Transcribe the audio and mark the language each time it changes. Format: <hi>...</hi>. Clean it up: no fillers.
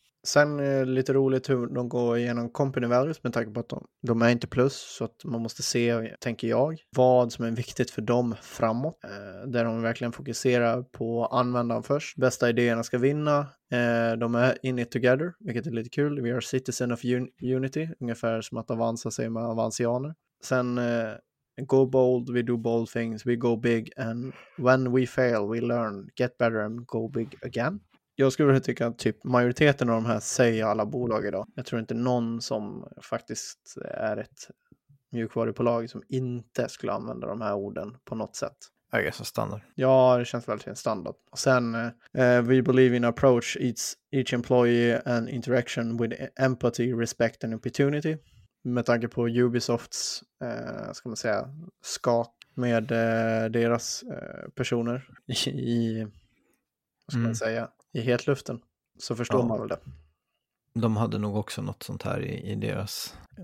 <sv>Sen lite roligt hur de går igenom</sv> <en>company values,</en> <sv>med tanke på att de är inte plus, så att man måste se, tänker jag, vad som är viktigt för dem framåt. Där de verkligen fokuserar på användaren först. Bästa idéerna ska vinna. De är</sv> <en>in it together,</en> <sv>vilket är lite kul. Vi är</sv> <en>citizen of Unity,</en> <sv>ungefär som att Avanza säger med avansianer. Sen</sv> <en>go bold, we do bold things, we go big, and when we fail, we learn, get better and go big again.</en> <sv>Jag skulle tycka att typ majoriteten av de här säger alla bolag idag. Jag tror inte någon som faktiskt är ett mjukvarubolag som inte skulle använda de här orden på något sätt. Jag är så standard. Ja, det känns väldigt standard. Och sen,</sv> <en>we believe in approach each employee and interaction with empathy, respect and opportunity.</en> <sv>Med tanke på Ubisofts, ska man säga, skak med deras personer i, vad ska man säga, i hetluften, så förstår man väl det. De hade nog också något sånt här i deras...</sv>